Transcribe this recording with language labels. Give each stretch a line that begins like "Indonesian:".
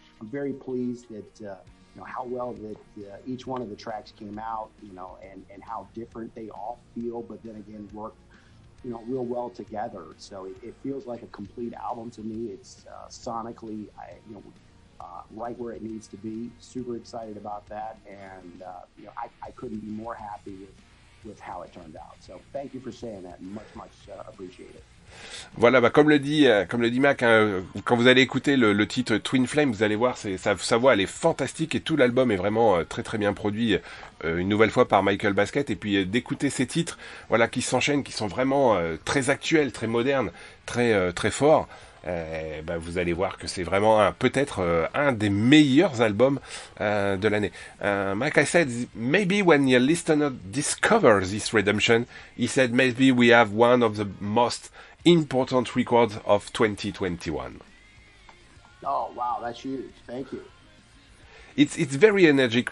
English: I'm very pleased that you know, how well that each one of the tracks came out, you know, and how different they all feel, but then again work, you know, real well together. So it feels like a complete album to me. It's sonically, I, you know, right where it needs to be. Super excited about that, and you know, I couldn't be more happy with how it turned out. So thank you for saying that. Much appreciated.
French: Voilà, bah comme le dit Mac, hein, quand vous allez écouter le titre Twin Flame, vous allez voir, sa voix elle est fantastique, et tout l'album est vraiment très très bien produit, une nouvelle fois par Michael Basquette. Et puis d'écouter ces titres, voilà, qui s'enchaînent, qui sont vraiment très actuels, très modernes, très très forts. Ben vous allez voir que c'est vraiment peut-être un des meilleurs albums de l'année.
English: Mac, I said, maybe when your listener discovers this Redemption, he said, maybe we have one of the most important records of 2021. Oh, wow, that's huge. Thank you. It's very energetic.